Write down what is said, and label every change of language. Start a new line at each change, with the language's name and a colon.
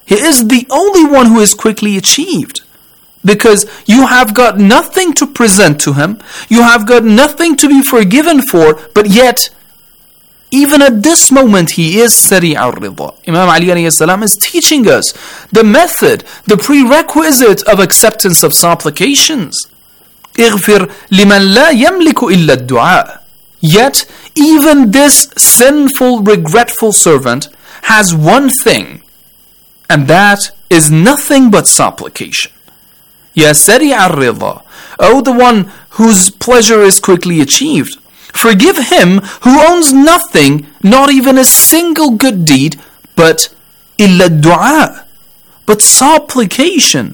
English: He is the only one who is quickly achieved. Because you have got nothing to present to Him, you have got nothing to be forgiven for, but yet, even at this moment, He is Sari al-Rida. Imam Ali alayhi salam is teaching us the method, the prerequisite of acceptance of supplications.
Arabic: اغفر لمن لا يملك إلا الدعاء.
English: Yet, even this sinful, regretful servant has one thing, and that is nothing but supplication. Ya Sari al-Rida, O the one whose pleasure is quickly achieved, forgive him who owns nothing, not even a single good deed, but illa du'a, but supplication.